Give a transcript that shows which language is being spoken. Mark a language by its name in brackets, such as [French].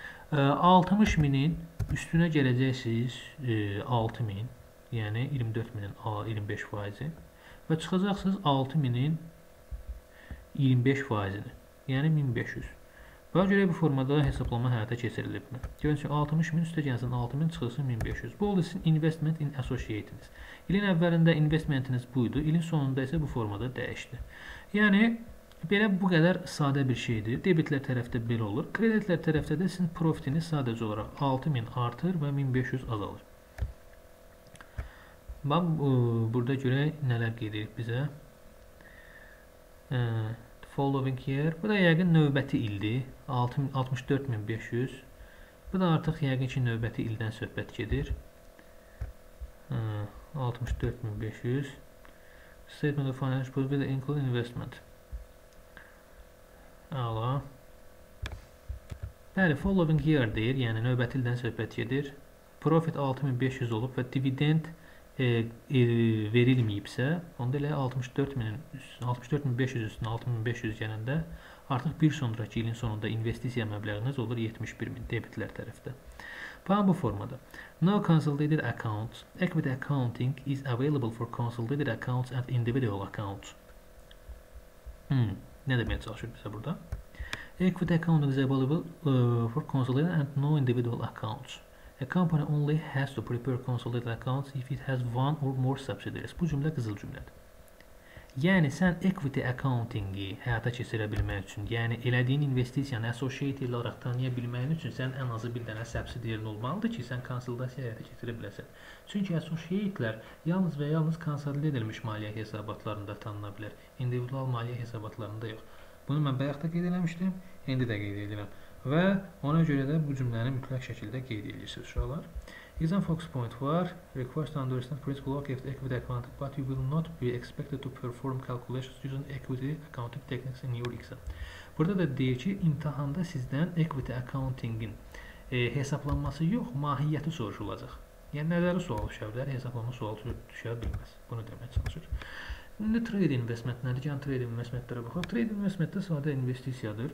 [Azerbaijani] 60000-in üstünə gələcəksiniz 6000, yəni 24000-in 25%-i və çıxacaqsınız 6000-in 25%-ini, yəni 1500. Bəlkə görə bu formada hesablama həyata keçirilibmi? Görün ki, 60000 üstə gəlsin, 6000 çıxılsın 1500. Bu oldu sizin investment in associate-iniz. İlin əvvəlində investmentiniz buydu, ilin sonunda isə bu formada dəyişdi. Yəni, belə bu qədər sadə bir şeydir. Debitlər tərəfdə belə olur. Kreditlər tərəfdə də sizin profitiniz sadəcə olaraq 6000 artır və 1500 azalır. Bax, burada görə nələr qeyd edir bizə? [English] The following year. [Azerbaijani] Bu da yəqin növbəti ildir. 64500. Bu da artıq yəqin ki, növbəti ildən söhbət gedir. 64500. [English] Statement of financial report will include investment. [Azerbaijani] Əla. Bəli, following year deyir, yəni növbəti ildən söhbət gedir. Profit 6500 olub və dividend verilməyibsə, onda elə 64.000-in 64.500 üstünə 6.500 gələndə artıq bir sonrakı ilin sonunda investisiya məbləğiniz olur 71.000 debitlər tərəfdə. Pam bu formada. [English] No consolidated account. Equity accounting is available for consolidated accounts and individual accounts. [Azerbaijani] Nə deməyə çalışır bizə burada? [English] Equity account is available for consolidated and no individual accounts. A company only has to prepare consolidated accounts if it has one or more subsidiaries. [Azerbaijani] Bu cümlə qızıl cümlədir. Yəni, sən equity accounting-i həyata keçirə bilmək üçün, yəni elədiyin investisiyanı associate ilə olaraq tanıya bilmək üçün sən ən azı bir dənə subsidiary olmalıdır ki, sən konsolidasiya həyata keçirə biləsən. Çünki associate-lər yalnız və yalnız konsolidə edilmiş maliyyə hesabatlarında tanına bilər. İndividual maliyyə hesabatlarında yox. Bunu mən bayaq da qeyd eləmişdim, indi də qeyd edirəm. Və ona görə də bu cümləni mütləq şəkildə qeyd edirsiniz uşaqlar. Exam focus point var. [English] Request to understand principle of equity accounting, but you will not be expected to perform calculations using equity accounting techniques in your exam. [Azerbaijani] Burada da deyir ki, imtihanda sizdən equity accounting-in hesablanması yox, mahiyyəti soruşulacaq. Yəni nəzəri sual düşə bilər, hesablanma sualı düşə bilməz. Bunu deməyə çalışır. İndi trade investment nədir? Gən trade investmentlərə baxaq. Trade investment də sadə investisiyadır.